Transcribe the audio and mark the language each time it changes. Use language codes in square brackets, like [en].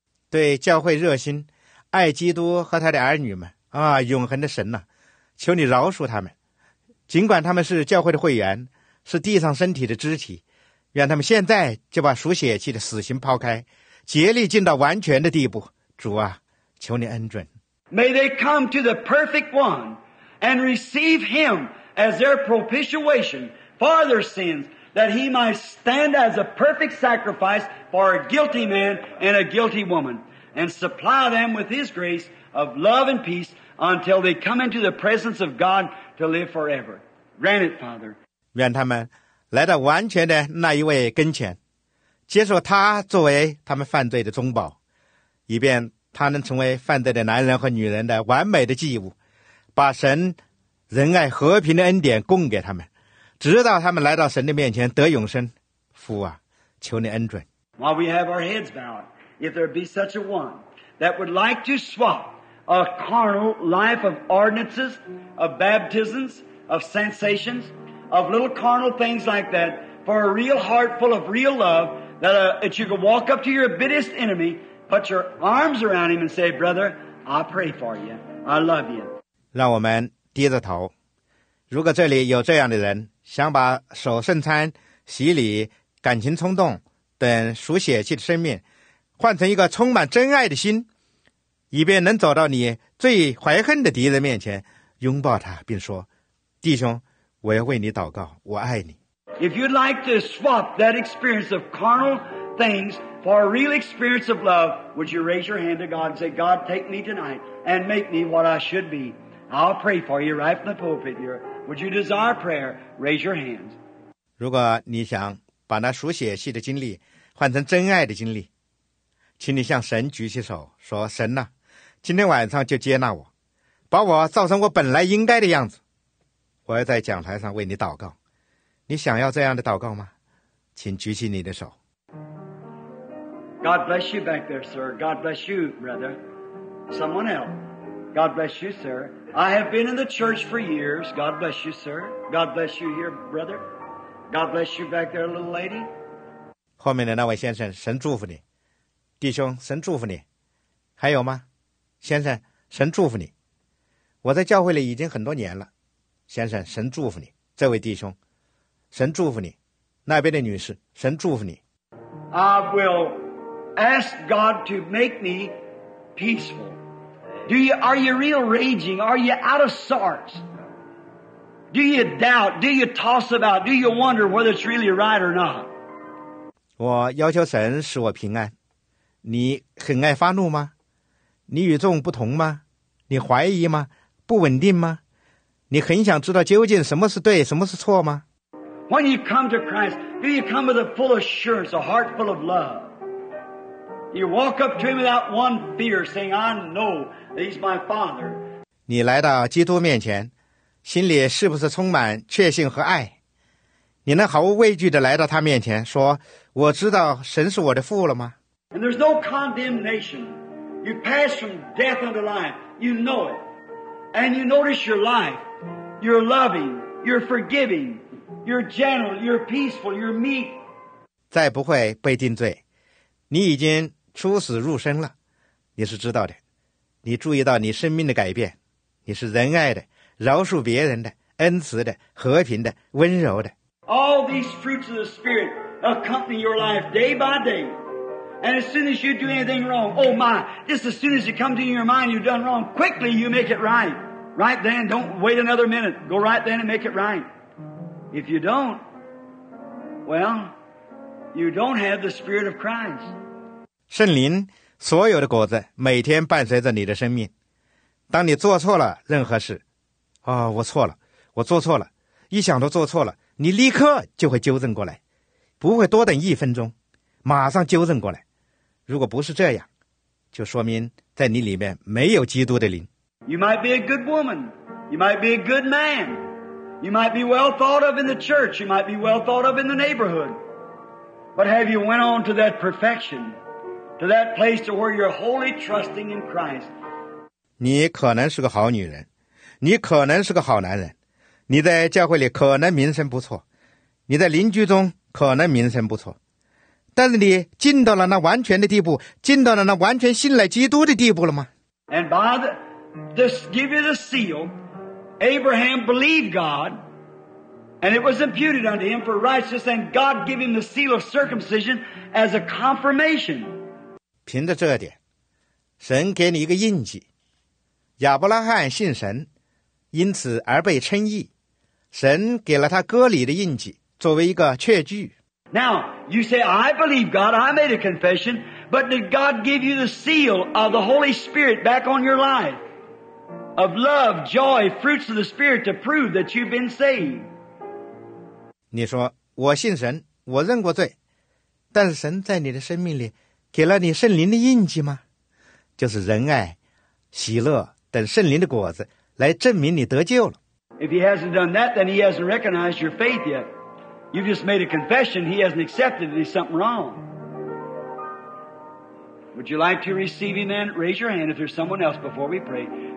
[zh] 对教会热心、爱基督和他的儿女们啊，永恒的神呐、啊，求你饶恕他们。尽管他们是教会的会员，是地上身体的肢体，愿他们现在就把属血气的死刑抛开，竭力尽到完全的地步。主啊，求你恩准。 [en] May they come to the perfect one and receive Him as their propitiation for their sins, that He might stand as a perfect sacrifice for a guilty man and a guilty woman, and supply them with His grace of love and peace until they come into the presence of God. To live forever. Grant it, Father. [zh] 愿他们来到完全的那一位跟前，接受他作为他们犯罪的中保，以便他能成为犯罪的男人和女人的完美的祭物，把神仁爱和平的恩典供给他们，直到他们来到神的面前得永生。父啊，求你恩准。 [en] While we have our heads bowed, if there be such a one that would like to swap. A carnal life of ordinances, of baptisms, of sensations, of little carnal things like that, for a real heart full of real love, that you could walk up to your bitterest enemy, put your arms around him and say, Brother, I pray for you. I love you. [zh] 让我们低着头。如果这里有这样的人，想把守圣餐、洗礼、感情冲动等属血气的生命，换成一个充满真爱的心，以便能走到你最怀恨的敌人面前，拥抱他，并说：“弟兄，我要为你祷告，我爱你。” [en] If you'd like to swap that experience of carnal things for a real experience of love, would you raise your hand to God and say, "God, take me tonight and make me what I should be"? I'll pray for you right from the pulpit here. Would you desire prayer? Raise your hands. [zh] 如果你想把那属血气的经历换成真爱的经历。请你向神举起手说，神呐、啊、今天晚上就接纳我，把我造成我本来应该的样子，我要在讲台上为你祷告。你想要这样的祷告吗？请举起你的手。 [en] God bless you back there, sir. God bless you, brother. Someone else. God bless you, sir. I have been in the church for years. God bless you, sir. God bless you here, brother. God bless you back there, little lady. [zh] 后面的那位先生，神祝福你。弟兄，神祝福你。还有吗？先生，神祝福你。我在教会里已经很多年了。先生，神祝福你。这位弟兄，神祝福你。那边的女士，神祝福你。 [en] I will ask God to make me peaceful. Are you real raging? Are you out of sorts? Do you doubt? Do you toss about? Do you wonder whether it's really right or not? [zh] 我要求神使我平安。你很爱发怒吗？你与众不同吗？你怀疑吗？不稳定吗？你很想知道究竟什么是对，什么是错吗？ [en] When you come to Christ, do you come with a full assurance, a heart full of love? You walk up to Him without one fear, saying, I know that He's my Father. [zh] 你来到基督面前，心里是不是充满确信和爱？你能毫无畏惧地来到他面前，说，我知道神是我的父了吗？ [en] And there's no condemnation. You pass from death unto life. You know it. And you notice your life. You're loving. You're forgiving. You're gentle. You're peaceful. You're meek. [zh] 再不会被定罪。你已经出死入生了。你是知道的。你注意到你生命的改变。你是仁爱的，饶恕别人的，恩慈的，和平的，温柔的。 [en] All these fruits of the Spirit accompany your life day by day. And as soon as you do anything wrong, oh my, just as soon as you come to your mind you've done wrong, quickly you make it right. Right then, don't wait another minute. Go right then and make it right. If you don't, well, you don't have the Spirit of Christ. [zh] 圣灵所有的果子每天伴随着你的生命。当你做错了任何事，哦，我错了，我做错了，一想到做错了，你立刻就会纠正过来，不会多等一分钟。马上纠正过来，如果不是这样，就说明在你里面没有基督的灵。 [en] You might be a good woman. You might be a good man. You might be well thought of in the church. You might be well thought of in the neighborhood. But have you went on to that perfection, to that place to where you're wholly trusting in Christ? [zh] 你可能是个好女人，你可能是个好男人，你在教会里可能名声不错，你在邻居中可能名声不错，但是你进到了那完全的地步，进到了那完全信赖基督的地步了吗？ [en] And by this give you the seal, Abraham believed God, and it was imputed unto him for righteousness, and God gave him the seal of circumcision as a confirmation. [zh] 凭着这点，神给你一个印记，亚伯拉罕信神，因此而被称义，神给了他割礼的印记作为一个确据。 [en] Now, you say, I believe God, I made a confession, but did God give you the seal of the Holy Spirit back on your life? Of love, joy, fruits of the Spirit to prove that you've been saved? [zh] 你说，我信神，我认过罪，但是神在你的生命里给了你圣灵的印记吗？就是仁爱、喜乐等圣灵的果子，来证明你得救了。 [en] If he hasn't done that, then he hasn't recognized your faith yet. You just made a confession. He hasn't accepted it. There's something wrong. Would you like to receive him then? Raise your hand if there's someone else before we pray.